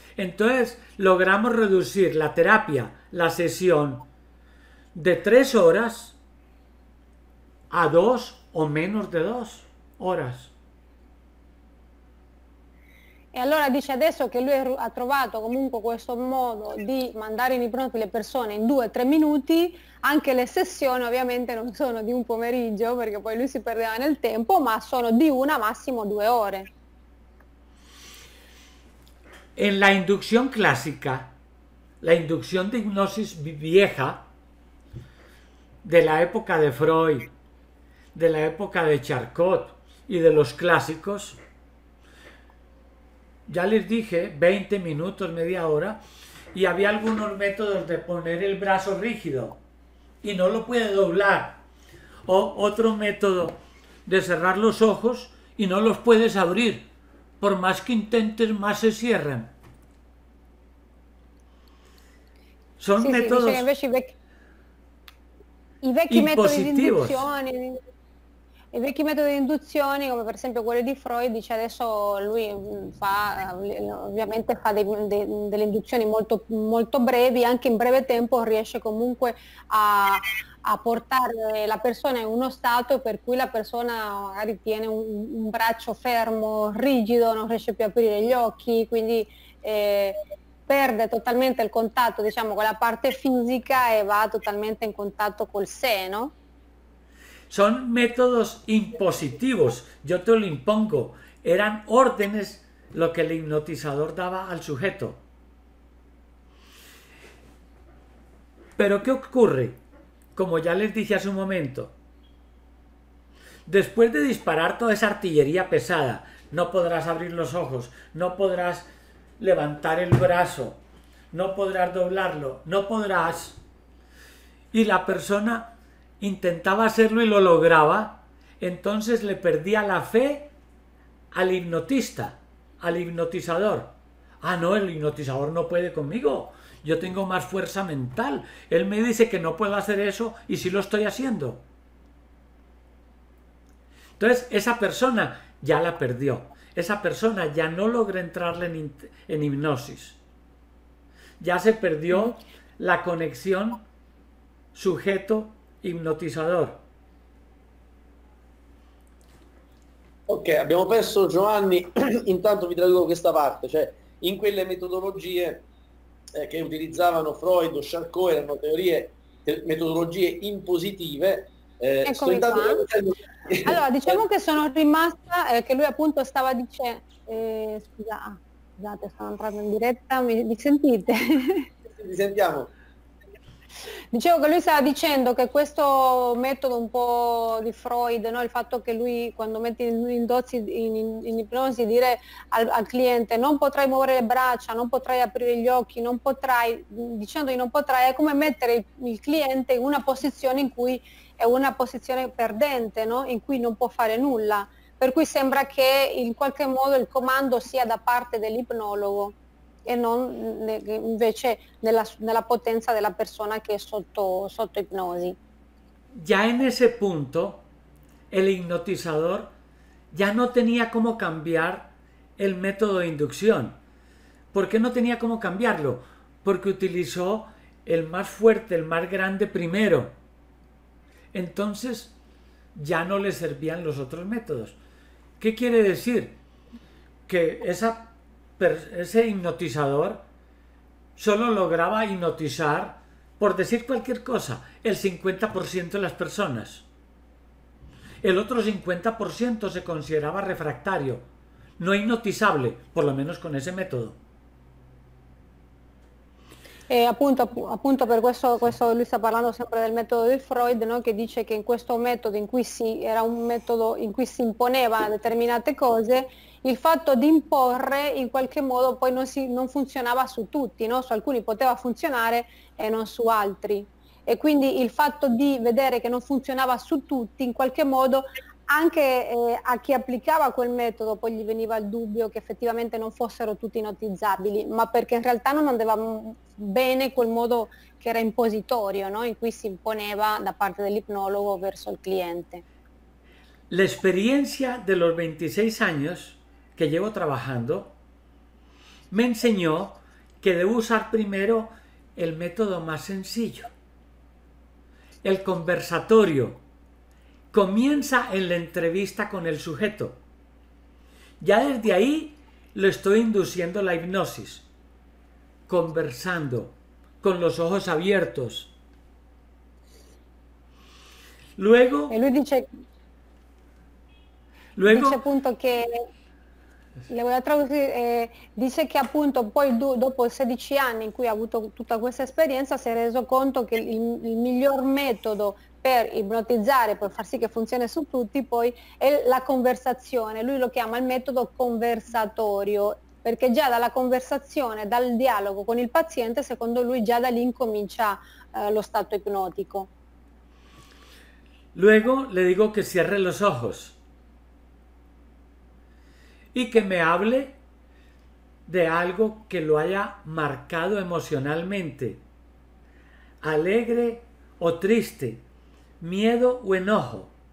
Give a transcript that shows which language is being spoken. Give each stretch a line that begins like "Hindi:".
Spanish: Entonces, logramos reducir la terapia, la sesión, de 3 horas a 2 o menos de 2 horas.
Italian: E allora dice adesso che lui ha trovato comunque questo modo di mandare in ipnosi le persone in 2 o 3 minuti, anche le sessioni ovviamente non sono di un pomeriggio, perché poi lui si perdeva nel tempo, ma sono di 1, massimo 2 ore.
Spanish: En la inducción clásica, la inducción de hipnosis vieja, de la época de Freud, de la época de Charcot y de los clásicos, ya les dije, 20 minutos, media hora, y había algunos métodos de poner el brazo rígido y no lo puede doblar. O otro método de cerrar los ojos y no los puedes abrir. Por más que intentes, más se cierran. Son
Italian: Sì, dice che
Spanish: métodos
Italian: invece i vecchi metodi di
Spanish: impositivos.
Italian: induzione, i vecchi metodi di induzione, come per esempio quello di Freud, dice adesso lui fa, ovviamente fa delle induzioni molto, molto brevi, anche in breve tempo riesce comunque a portare la persona in uno stato per cui la persona magari tiene un braccio fermo, rigido, non riesce più a aprire gli occhi, quindi perde totalmente il contatto, diciamo, con la parte fisica e va totalmente in contatto col sé, no?
Spanish: Son métodos impositivos, yo te lo impongo. Eran órdenes lo que el hipnotizador daba al sujeto. Pero ¿qué ocurre? Como ya les dije hace un momento, después de disparar toda esa artillería pesada, no podrás abrir los ojos, no podrás levantar el brazo, no podrás doblarlo, no podrás. Y la persona intentaba hacerlo y lo lograba, entonces le perdía la fe al hipnotista, al hipnotizador. Ah, no, el hipnotizador no puede conmigo. Yo tengo más fuerza mental. Él me dice que no puedo hacer eso y sí lo estoy haciendo. Entonces, esa persona ya la perdió. Esa persona ya no logra entrarle en hipnosis. Ya se perdió la conexión sujeto hipnotizador.
Italian: Ok, abbiamo perso Giovanni. Intanto vi traduco questa parte, cioè in quelle metodologie che utilizzavano Freud o Charcot erano metodologie impositive. Sto Eccomi intanto qua. traducendo. Allora, diciamo che sono rimasta, che lui appunto stava dicendo, scusa, scusate, sono entrata in diretta, mi sentite? Ci sentiamo. Dicevo che lui stava dicendo che questo metodo un po' di Freud, no? Il fatto che lui quando mette in ipnosi dire al cliente non potrai muovere le braccia, non potrai aprire gli occhi, non potrai, dicendogli non potrai, è come mettere il cliente in una posizione in cui è una posizione perdente, no? In cui non può fare nulla, per cui sembra che in qualche modo il comando sia da parte dell'ipnologo. E non invece nella potenza della persona che è sotto ipnosi.
Spanish: Ya en ese punto, el hipnotizador ya no tenía cómo cambiar el método de inducción. ¿Por qué no tenía cómo cambiarlo? Porque utilizó el más fuerte, el más grande primero. Entonces, ya no le servían los otros métodos. ¿Qué quiere decir? Que ese hipnotizador solo lograba hipnotizar, por decir cualquier cosa, el 50% de las personas. El otro 50% se consideraba refractario, no hipnotizable, por lo menos con ese método.
Italian: E appunto per questo lui sta parlando sempre del metodo di Freud, no? Che dice che in questo metodo, era un metodo in cui si imponeva determinate cose, il fatto di imporre in qualche modo poi non funzionava su tutti, no? Su alcuni poteva funzionare e non su altri. E quindi il fatto di vedere che non funzionava su tutti, in qualche modo anche a chi applicava quel metodo poi gli veniva il dubbio che effettivamente non fossero tutti ipnotizzabili, ma perché in realtà non andava bene quel modo che era impositorio, no? In cui si imponeva da parte dell'ipnologo verso il cliente.
Spanish: La experiencia de los 26 años que llevo trabajando me enseñó que debo usar primero el método más sencillo, el conversatorio. Comienza en la entrevista con el sujeto. Ya desde ahí lo estoy induciendo la hipnosis, conversando, con los ojos abiertos.
Italian: E lui dice appunto che, le voglio tradurre, dice che appunto poi dopo 16 anni in cui ha avuto tutta questa esperienza si è reso conto che il miglior metodo per ipnotizzare, per far sì che funzioni su tutti, poi è la conversazione. Lui lo chiama il metodo conversatorio. perché già dalla conversazione, dal dialogo con il paziente, secondo lui già da lì incomincia lo stato ipnotico.
Spanish: Luego le digo que cierre los ojos y que me hable de algo que lo haya marcado emocionalmente, alegre o triste, miedo o enojo.